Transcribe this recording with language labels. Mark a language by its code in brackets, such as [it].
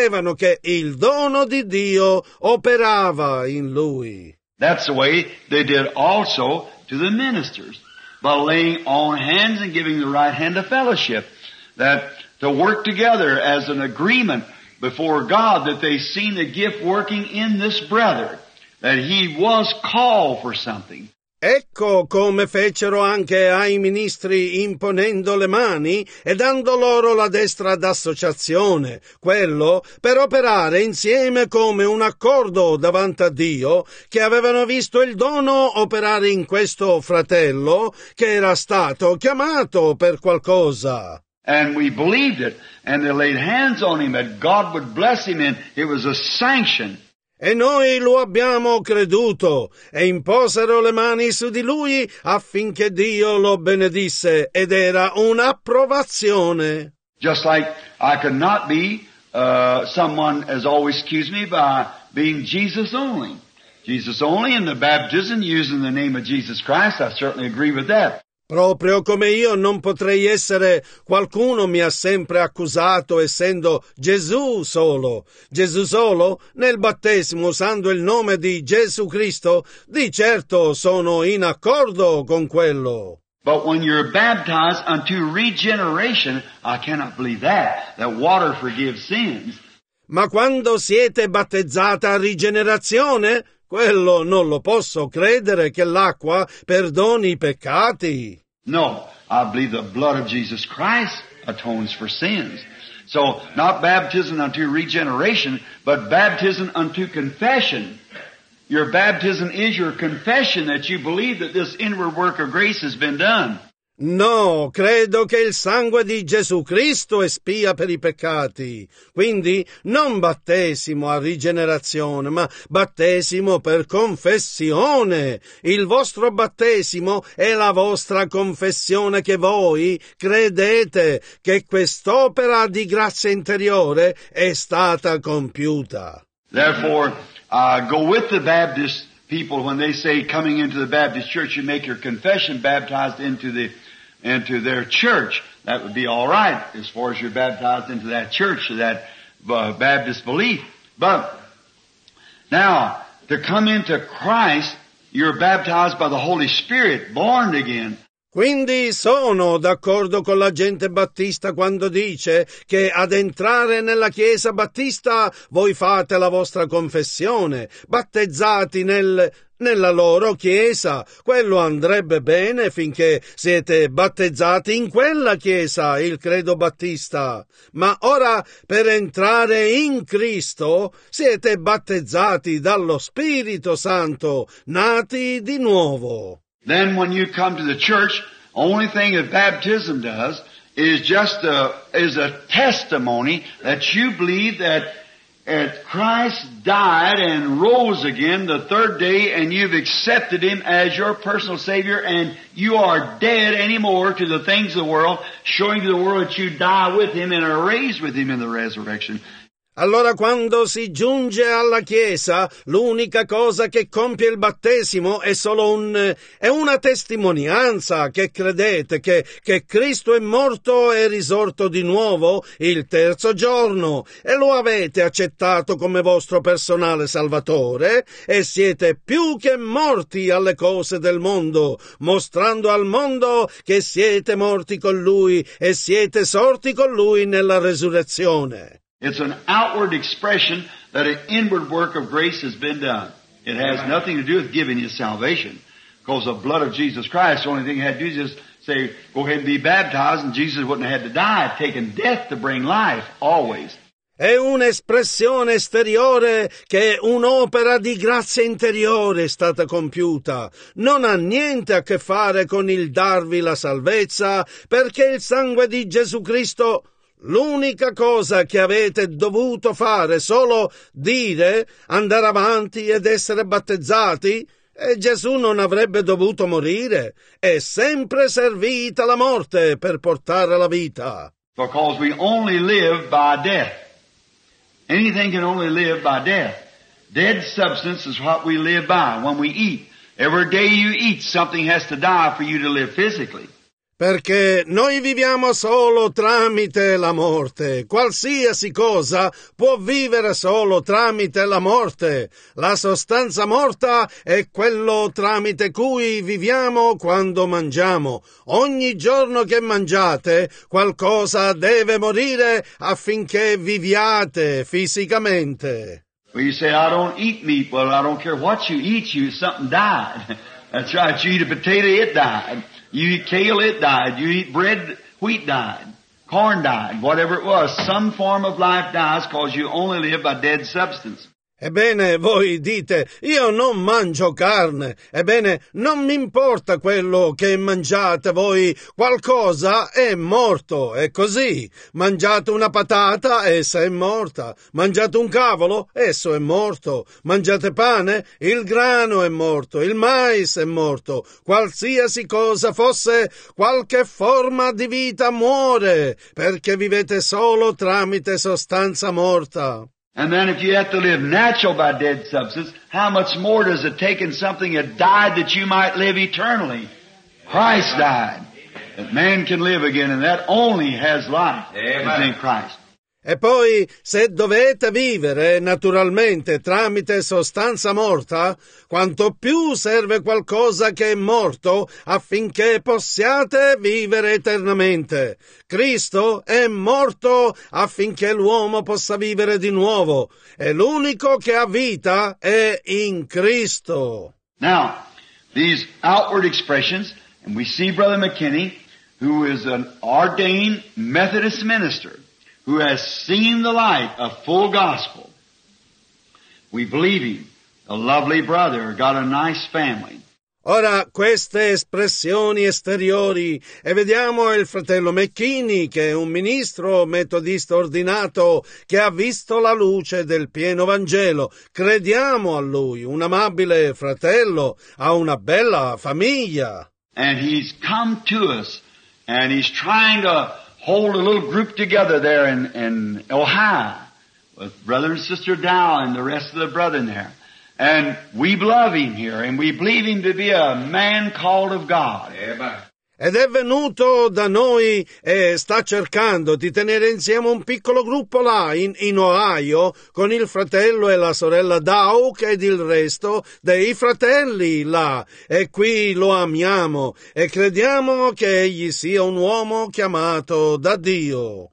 [it] Credevano che il dono di Dio operava in lui. [en] That's the way they did also to the ministers, by laying on hands and giving the right hand of fellowship, that to work together as an agreement before God, that they seen the gift working in this brother, that he was called for something. [it] Ecco come fecero anche ai ministri imponendo le mani e dando loro la destra d'associazione, quello per operare insieme come un accordo davanti a Dio, che avevano visto il dono operare in questo fratello che era stato chiamato per qualcosa. [en] And we believed it, and they laid hands on him that God would bless him, and it was a sanction. [it] E noi lo abbiamo creduto, e imposero le mani su di lui affinché Dio lo benedisse, ed era un'approvazione. [en] Just like I could not be someone as always excused me by being Jesus only. Jesus only in the baptism using the name of Jesus Christ, I certainly agree with that. [it] Proprio come io non potrei essere, qualcuno mi ha sempre accusato essendo Gesù solo. Gesù solo, nel battesimo usando il nome di Gesù Cristo, di certo sono in accordo con quello. [en] But when you're baptized unto regeneration, I cannot believe that water forgives sins. [it] Ma quando siete battezzati a rigenerazione, quello non lo posso credere che l'acqua perdoni i peccati. [en] No, I believe the blood of Jesus Christ atones for sins. So, not baptism unto regeneration, but baptism unto confession. Your baptism is your confession that you believe that this inward work of grace has been done. [it] No, credo che il sangue di Gesù Cristo espia per i peccati. Quindi, non battesimo a rigenerazione, ma battesimo per confessione. Il vostro battesimo è la vostra confessione che voi credete che quest'opera di grazia interiore è stata compiuta. [en] Therefore, go with the Baptist people when they say coming into the Baptist church you make your confession baptized into the into their church. That would be all right as far as you're baptized into that church, to that Baptist belief. But now, to come into Christ, you're baptized by the Holy Spirit, born again. [it] Quindi sono d'accordo con la gente battista quando dice che ad entrare nella chiesa battista voi fate la vostra confessione, battezzati nella loro chiesa. Quello andrebbe bene finché siete battezzati in quella chiesa, il credo battista. Ma ora, per entrare in Cristo, siete battezzati dallo Spirito Santo, nati di nuovo. [en] Then when you come to the church, only thing that baptism does is just is a testimony that you believe that Christ died and rose again the third day, and you've accepted him as your personal Savior, and you are dead anymore to the things of the world, showing to the world that you die with him and are raised with him in the resurrection. [it] Allora, quando si giunge alla Chiesa, l'unica cosa che compie il battesimo è solo una testimonianza che credete che Cristo è morto e risorto di nuovo il terzo giorno, e lo avete accettato come vostro personale Salvatore, e siete più che morti alle cose del mondo, mostrando al mondo che siete morti con Lui e siete sorti con Lui nella resurrezione. [en] It's an outward expression that an inward work of grace has been done. It has nothing to do with giving you salvation, because the blood of Jesus Christ, the only thing he had to do is just say, go ahead and be baptized, and Jesus wouldn't have had to die, taking death to bring life, always. [it] È un'espressione esteriore che un'opera di grazia interiore è stata compiuta. Non ha niente a che fare con il darvi la salvezza, perché il sangue di Gesù Cristo... L'unica cosa che avete dovuto fare è solo dire, andare avanti ed essere battezzati, e Gesù non avrebbe dovuto morire. È sempre servita la morte per portare la vita. [en] Because we only live by death. Anything can only live by death. Dead substance is what we live by when we eat. Every day you eat, something has to die for you to live physically. [it] Perché noi viviamo solo tramite la morte. Qualsiasi cosa può vivere solo tramite la morte. La sostanza morta è quello tramite cui viviamo quando mangiamo. Ogni giorno che mangiate, qualcosa deve morire affinché viviate fisicamente. [en] Well, you say, I don't eat meat. Well, I don't care what you eat, something died. That's right, you eat a potato, it died. You eat kale, it died. You eat bread, wheat died. Corn died. Whatever it was, some form of life dies because you only live by dead substance. [it] Ebbene, voi dite, io non mangio carne. Ebbene, non mi importa quello che mangiate voi. Qualcosa è morto, è così. Mangiate una patata, essa è morta. Mangiate un cavolo, esso è morto. Mangiate pane, il grano è morto. Il mais è morto. Qualsiasi cosa fosse, qualche forma di vita muore, perché vivete solo tramite sostanza morta. [en] And then if you have to live natural by dead substance, how much more does it take in something that died that you might live eternally? Christ died. That man can live again, and that only has life is in Christ. [it] E poi, se dovete vivere naturalmente tramite sostanza morta, quanto più serve qualcosa che è morto affinché possiate vivere eternamente. Cristo è morto affinché l'uomo possa vivere di nuovo, e l'unico che ha vita è in Cristo. [en] Now, these outward expressions, and we see Brother McKinney, who is an ordained Methodist minister, who has seen the light of full gospel. We believe him. A lovely brother, got a nice family. [it] Ora, queste espressioni esteriori, e vediamo il fratello McKinney, che è un ministro metodista ordinato, che ha visto la luce del pieno Vangelo. Crediamo a lui, un amabile fratello, ha una bella famiglia. [en] And he's come to us, and he's trying to hold a little group together there in Ohio with Brother and Sister Dow and the rest of the brethren there. And we love him here, and we believe him to be a man called of God. Amen. [it] ed è venuto da noi e sta cercando di tenere insieme un piccolo gruppo là in Ohio con il fratello e la sorella Doug ed il resto dei fratelli là. E qui lo amiamo e crediamo che egli sia un uomo chiamato da Dio.